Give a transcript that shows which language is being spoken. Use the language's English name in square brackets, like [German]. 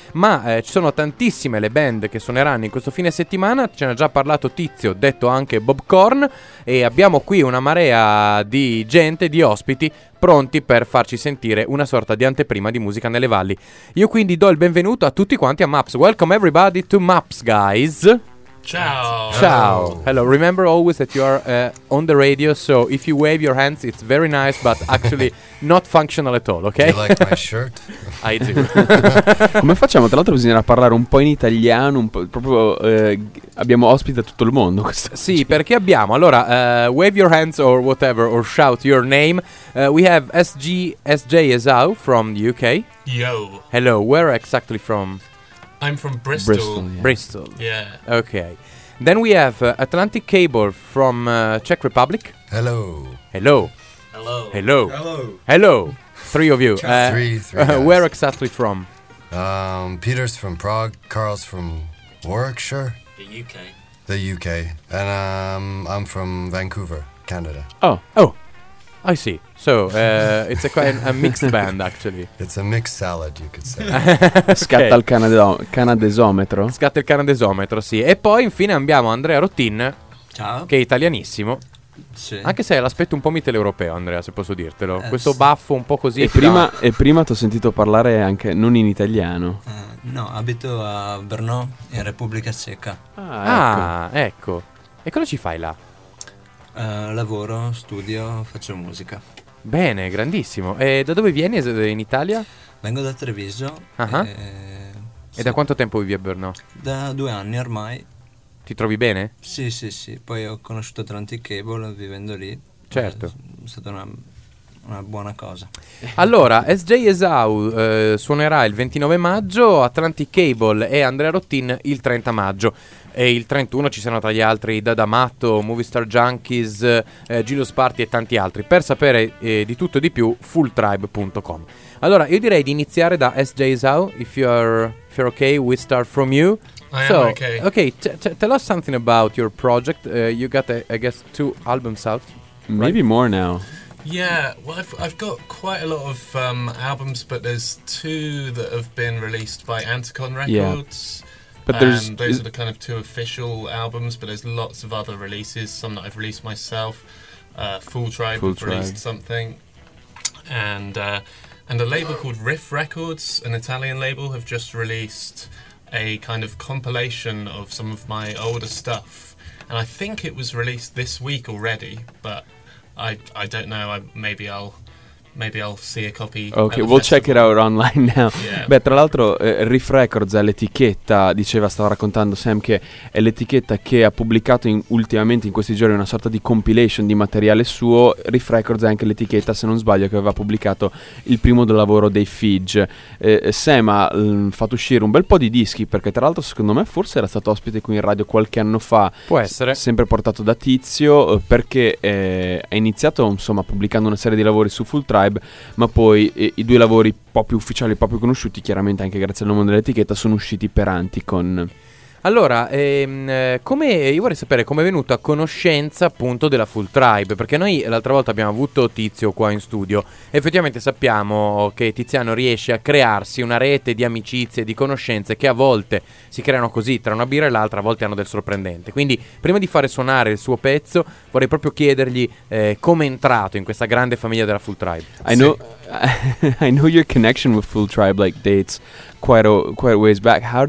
[Italian] Ma ci sono tantissime le band che suoneranno in questo fine settimana, ce ne ha già parlato Tizio, detto anche Bob Korn, e abbiamo qui una marea di gente, di ospiti, pronti per farci sentire una sorta di anteprima di Musica nelle Valli. Io quindi do il benvenuto a tutti quanti a MAPS. [English] Welcome everybody to MAPS, guys. [Italian] Ciao. [English] Ciao. Hello. Remember always that you are on the radio, so if you wave your hands, it's very nice, but actually not functional at all, okay? Do you like my shirt? I do. [Italian] Come facciamo? Tra l'altro bisognerà parlare un po' in italiano, un po' proprio abbiamo ospite da tutto il mondo. Sì, perché abbiamo, allora, [English] wave your hands or whatever, or shout your name. We have SJ Esau from the UK. Yo. Hello, where exactly from? I'm from Bristol. Yeah. Bristol. Yeah. Okay. Then we have Atlantic Cable from Czech Republic. Hello. Hello. Hello. Hello. Hello. Hello. Three of you. Three guys. Where exactly from? Peter's from Prague. Carl's from Warwickshire. The UK. The UK. And I'm from Vancouver, Canada. Oh. Oh. I see. So it's quite a mixed band, actually. It's a mixed salad, you could say. [Italian] Scatta il canadesometro. Scatta il canadesometro, sì. E poi infine abbiamo Andrea Rottin. Ciao. Che è italianissimo. Sì. Anche se hai l'aspetto un po' mitteleuropeo, Andrea, se posso dirtelo. Questo sì. Baffo un po' così. E prima ti ho sentito parlare anche non in italiano. No, abito a Brno, in Repubblica Ceca. Ah, ecco. E cosa ci fai là? Lavoro, studio, faccio musica. Bene, grandissimo. E da dove vieni in Italia? Vengo da Treviso. Uh-huh. E sì. Da quanto tempo vivi a Brno? Da 2 anni ormai. Ti trovi bene? Sì, sì, sì. Poi ho conosciuto Atlantic Cable vivendo lì. Certo. È stata una buona cosa. Allora, SJ Esau suonerà il 29 maggio, Atlantic Cable e Andrea Rottin il 30 maggio. E il 31 ci saranno tra gli altri Dada Matto, Movie Star Junkies, Gillo Sparti e tanti altri. Per sapere di tutto e di più, fulltribe.com. Allora, io direi di iniziare da SJ Esau. [English] If you're okay, we start from you. I am okay. Tell us something about your project. You got, I guess, 2 albums out. Maybe right? More now. Yeah, well, I've got quite a lot of albums, but there's 2 that have been released by Anticon Records. Yeah. But there's, those are the kind of 2 official albums, but there's lots of other releases, some that I've released myself. Full Tribe released something. And a label called Riff Records, an Italian label, have just released a kind of compilation of some of my older stuff. And I think it was released this week already, but I don't know, maybe I'll see a copy. Ok, we'll check it out online now. Yeah. [Italian] Beh, tra l'altro Riff Records è l'etichetta, diceva, stava raccontando Sam, che è l'etichetta che ha pubblicato ultimamente in questi giorni una sorta di compilation di materiale suo. Riff Records è anche l'etichetta, se non sbaglio, che aveva pubblicato il primo del lavoro dei Fige. Sam ha fatto uscire un bel po' di dischi, perché tra l'altro secondo me forse era stato ospite qui in radio qualche anno fa. Può essere. Sempre portato da Tizio, perché ha iniziato, insomma, pubblicando una serie di lavori su Full Tribe, ma poi i 2 lavori un po' più ufficiali, un po' più conosciuti, chiaramente anche grazie al nome dell'etichetta, sono usciti per Anticon. Allora, come io vorrei sapere come è venuto a conoscenza appunto della Full Tribe, perché noi l'altra volta abbiamo avuto Tizio qua in studio. Effettivamente sappiamo che Tiziano riesce a crearsi una rete di amicizie, di conoscenze, che a volte si creano così tra una birra e l'altra, a volte hanno del sorprendente. Quindi prima di fare suonare il suo pezzo vorrei proprio chiedergli come è entrato in questa grande famiglia della Full Tribe. [English] I know your connection with Full Tribe like dates quite a ways back.